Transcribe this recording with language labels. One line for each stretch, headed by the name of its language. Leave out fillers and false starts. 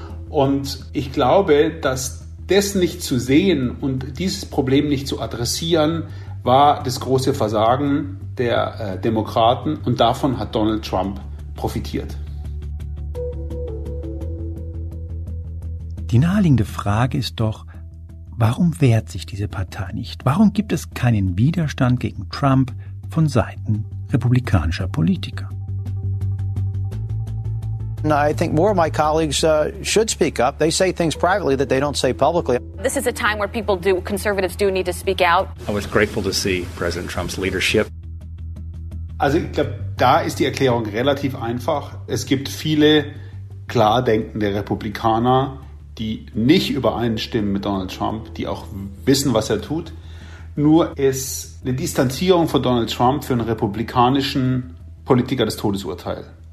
German: Und ich glaube, dass das nicht zu sehen und dieses Problem nicht zu adressieren, war das große Versagen der Demokraten, und davon hat Donald Trump profitiert. Die naheliegende Frage ist doch, warum wehrt sich diese Partei nicht? Warum gibt es keinen Widerstand gegen Trump von Seiten republikanischer Politiker?
English: And I think more of my colleagues should speak up. They say things privately that they don't say publicly. This is a time where people do, conservatives do need to speak out. I was grateful to see President Trump's leadership.
German: Also ich glaube, da ist die Erklärung relativ einfach. Es gibt viele klar denkende Republikaner, die nicht übereinstimmen mit Donald Trump, die auch wissen, was er tut. Nur ist eine Distanzierung von Donald Trump für einen republikanischen Politiker das Todesurteil.